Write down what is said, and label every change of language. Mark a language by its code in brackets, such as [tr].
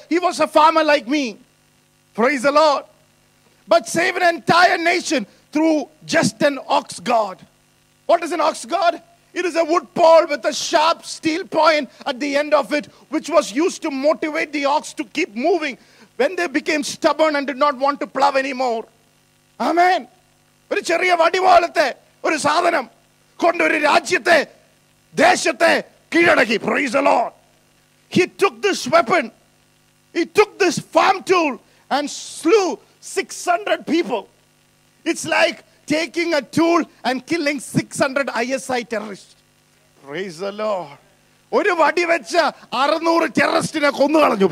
[en] He was a farmer like me. Praise the Lord. But saved an entire nation through just an ox goad. What is an ox goad? It is a wood pole with a sharp steel point at the end of it, which was used to motivate the ox to keep moving when they became stubborn and did not want to plow anymore. Amen. [ml] ഒരു ചെറിയ വടി പോലത്തെ ഒരു സാധനം കൊണ്ട് ഒരു രാജ്യത്തെ ദേശത്തെ കീഴടക്കി. [en] Praise the Lord. He took this weapon, he took this farm tool and slew 600 people. It's like taking a tool and killing 600 ISI terrorists. Praise the Lord. [ml] ഒരു വടി വെച്ച 600 ടെററിസ്റ്റിനെ കൊന്നു കളഞ്ഞു.